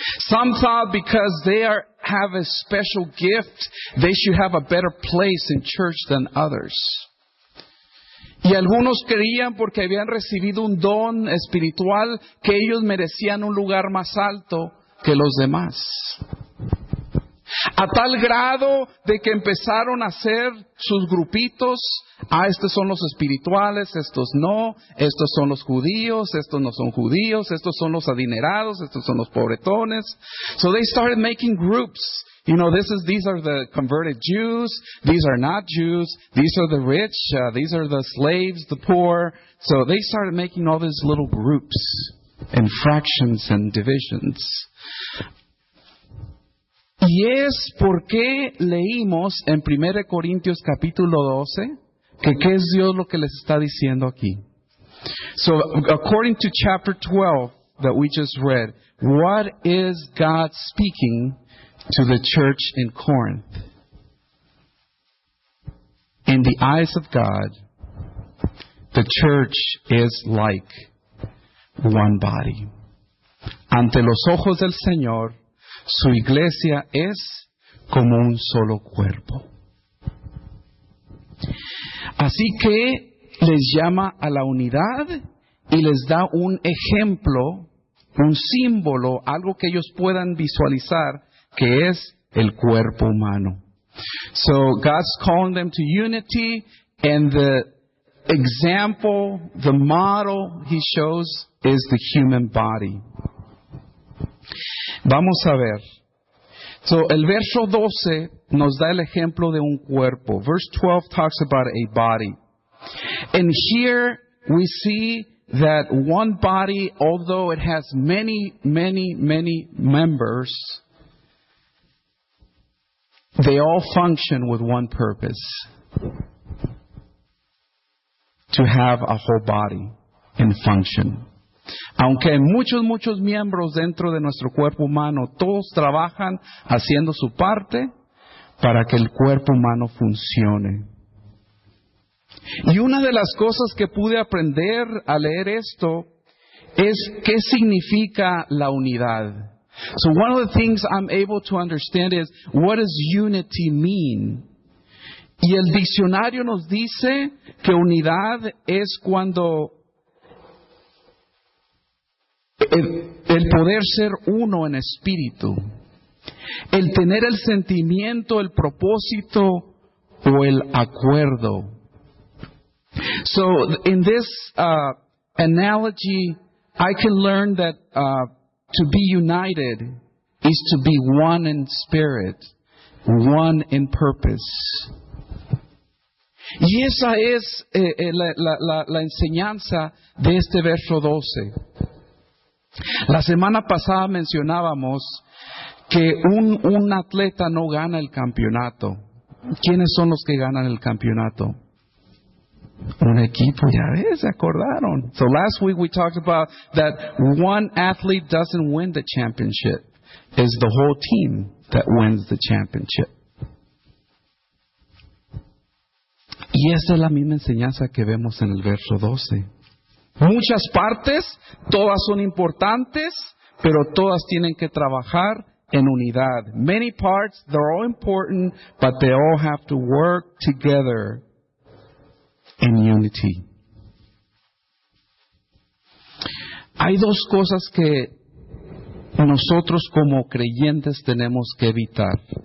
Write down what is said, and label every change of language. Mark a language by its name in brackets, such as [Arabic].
[English] Some thought because they have a special gift, they should have a better place in church than others. [Spanish] Y algunos creían porque habían recibido un don espiritual que ellos merecían un lugar más alto que los demás. A tal grado de que empezaron a hacer sus grupitos. Ah, estos son los espirituales, estos no. Estos son los judíos, estos no son judíos. Estos son los adinerados, estos son los pobretones. [English] So they started making groups. You know, these are the converted Jews. These are not Jews. These are the rich. These are the slaves, the poor. So they started making all these little groups and fractions and divisions. [Spanish] Y es porque leímos en 1 Corintios capítulo 12 que qué es Dios lo que les está diciendo aquí. So, according to chapter 12 that we just read, what is God speaking to the church in Corinth? [English] In the eyes of God, the church is like one body. [Spanish] Ante los ojos del Señor, su iglesia es como un solo cuerpo. Así que les llama a la unidad y les da un ejemplo, un símbolo, algo que ellos puedan visualizar, que es el cuerpo humano. So God's calling them to unity, and the example, the model he shows is the human body. Vamos a ver. So, el verso 12 nos da el ejemplo de un cuerpo. [English] Verse 12 talks about a body. And here we see that one body, although it has many, many, many members, they all function with one purpose. To have a whole body in function. [Spanish] Aunque hay muchos, muchos miembros dentro de nuestro cuerpo humano, todos trabajan haciendo su parte para que el cuerpo humano funcione. Y una de las cosas que pude aprender al leer esto es qué significa la unidad. [English] So one of the things I'm able to understand is, what does unity mean? [Spanish] Y el diccionario nos dice que unidad es cuando el poder ser uno en espíritu. el tener el sentimiento, el propósito o el acuerdo. [English] So in this analogy, I can learn that to be united is to be one in spirit, one in purpose. [Spanish] Y esa es la enseñanza de este verso 12. La semana pasada mencionábamos que un atleta no gana el campeonato. ¿Quiénes son los que ganan el campeonato? Un equipo, ya ves, se acordaron. [English] So last week we talked about that one athlete doesn't win the championship. It's the whole team that wins the championship. [Spanish] Y esa es la misma enseñanza que vemos en el verso 12. Muchas partes, todas son importantes, pero todas tienen que trabajar en unidad. [English] Many parts, they're all important, but they all have to work together in unity. [Spanish] Hay dos cosas que nosotros como creyentes tenemos que evitar.